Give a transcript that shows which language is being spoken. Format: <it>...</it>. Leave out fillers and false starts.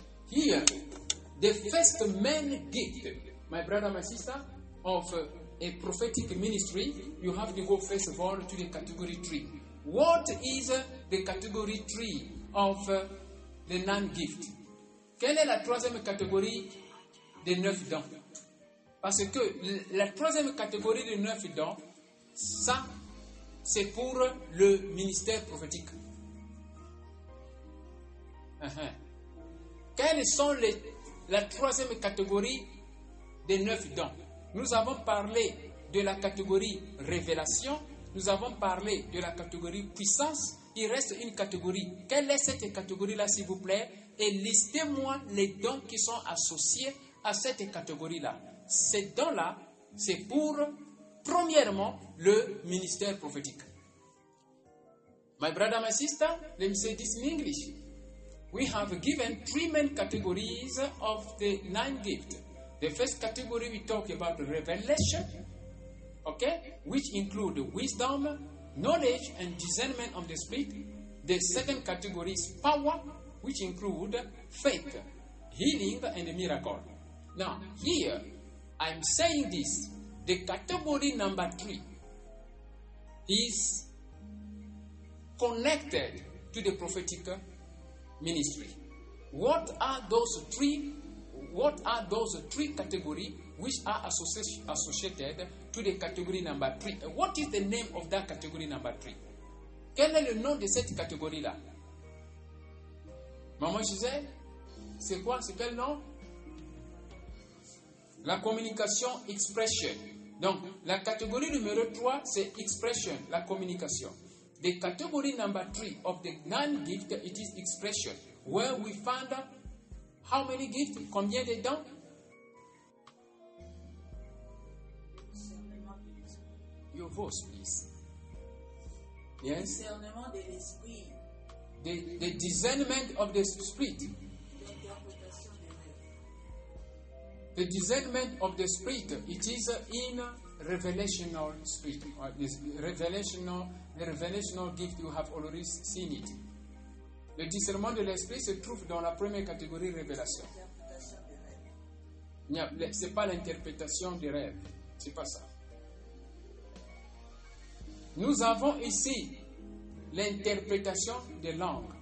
<en>Here, the first main gift, my brother, my sister, of a prophetic ministry, you have to go first of all to the category 3. What is the category 3 of the non-gift?</en> <fr>Quelle est la troisième catégorie des 9 dons? Parce que la troisième catégorie des 9 dons, ça, c'est pour le ministère prophétique. Quelles sont la troisième catégorie des 9 dons? Nous avons parlé de la catégorie révélation, nous avons parlé de la catégorie puissance, Il reste une catégorie. Quelle est cette catégorie-là, s'il vous plaît? Et listez-moi les dons qui sont associés à cette catégorie-là. Ces dons-là, c'est pour, premièrement, le ministère prophétique.</fr> <en>My brother, my sister, let me say this in English. We have given three main categories of the nine gifts. The first category, we talk about revelation, okay, which include wisdom, knowledge, and discernment of the spirit. The second category is power, which include faith, healing, and miracle. Now, here, I'm saying this. The category number three is connected to the prophetic ministry. What are those three? What are those three categories which are associated to the category number three? What is the name of that category number three?</en> <fr>Quel est le nom de cette catégorie-là? Maman Gisèle, c'est quoi? C'est quel nom? La communication expression. Donc, la catégorie numéro 3, c'est expression, la communication.</fr> <en>The category number 3 of the nine gifts, it is expression. Where we find how many gifts,</en> <fr>combien de dons?</fr> <en>Your voice, please.</en> <fr>Yes? Discernement de l'esprit.</fr> <en>The discernment of the spirit. The discernment of the spirit, it is in revelational spirit. This revelational, the revelational gift, you have already seen it.</en> <fr>Le discernement de l'esprit se trouve dans la première catégorie révélation. Ce n'est pas l'interprétation des rêves. Ce n'est pas ça. Nous avons ici l'interprétation des langues.</fr>